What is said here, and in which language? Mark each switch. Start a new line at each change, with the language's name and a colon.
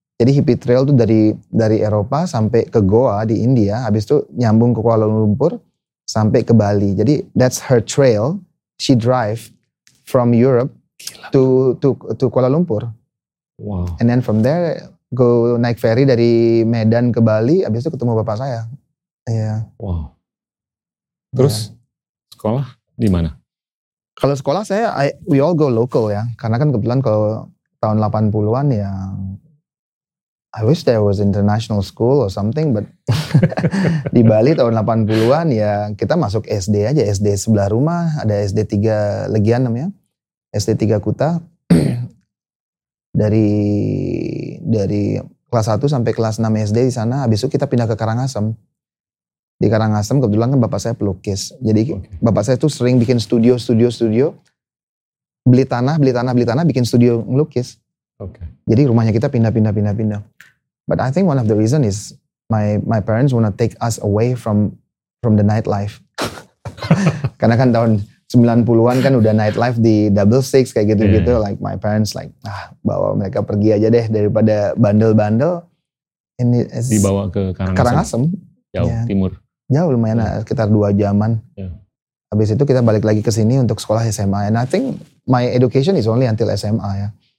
Indonesian: Jadi hippie trail tuh dari Eropa sampai ke Goa di India, habis itu nyambung ke Kuala Lumpur sampai ke Bali. Jadi
English: that's her trail. She drive from Europe to Kuala Lumpur. Wow. And then from there go
Indonesian: naik ferry dari Medan ke Bali, habis itu ketemu bapak saya. Iya.
English: Yeah.
Indonesian: Wow. Terus sekolah di mana? Kalau sekolah saya
English: we all go local
Indonesian: ya. Karena kan kebetulan kalau tahun 80-an ya
English: I wish there was international school or something,
Indonesian: but di Bali tahun 80-an ya kita masuk SD aja, SD sebelah rumah, ada SD 3 Legian namanya. SD 3 Kuta. dari kelas 1 sampai kelas 6 SD di sana, habis itu kita pindah ke Karangasem. Di Karangasem kebetulan kan bapak saya pelukis. Jadi bapak saya tuh sering bikin studio. Beli tanah, bikin studio ngelukis.
English: Okay.
Indonesian: Jadi rumahnya kita pindah.
English: But I think one of the reason is my parents wanna take us away from the nightlife.
Indonesian: Karena kan tahun 90-an kan udah nightlife di Double Six kayak gitu-gitu.
English: Yeah. Like my parents like,
Indonesian: bawa mereka pergi aja deh daripada bandel-bandel. Ini dibawa ke Karangasem. Jauh,
English: yeah.
Indonesian: Timur. Jauh lumayan,
English: yeah.
Indonesian: Sekitar 2 jaman.
English: Yeah.
Indonesian: Habis itu kita balik lagi ke sini untuk sekolah SMA.
English: And I think my education is only until SMA
Indonesian: ya.